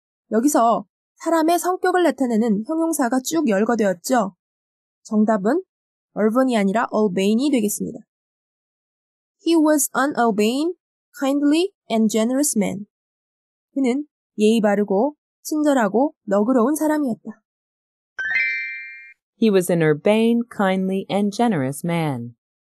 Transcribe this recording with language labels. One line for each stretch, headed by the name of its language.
Korean: 여기서 사람의 성격을 나타내는 형용사가 쭉 열거되었죠. 정답은 urban이 아니라 urbane이 되겠습니다.
English: He was an urbane, kindly and generous man.
Korean: 그는 예의 바르고 친절하고 너그러운 사람이었다.
English: He was an urbane, kindly and generous man.